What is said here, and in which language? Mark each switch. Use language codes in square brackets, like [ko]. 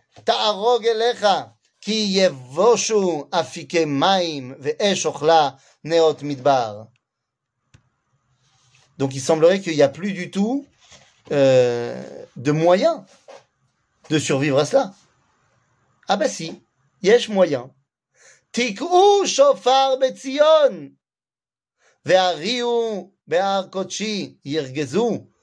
[he] תארוג אליך כי יבושו אפיקי מים ואש אוכלה נאות מדבר. [fr] Donc il semblerait qu'il n'y a plus du tout de moyen de survivre à cela. Ah ben si, יש moyen. [he] תקעו שופר בציון והריעו בהר קודשי ירגזו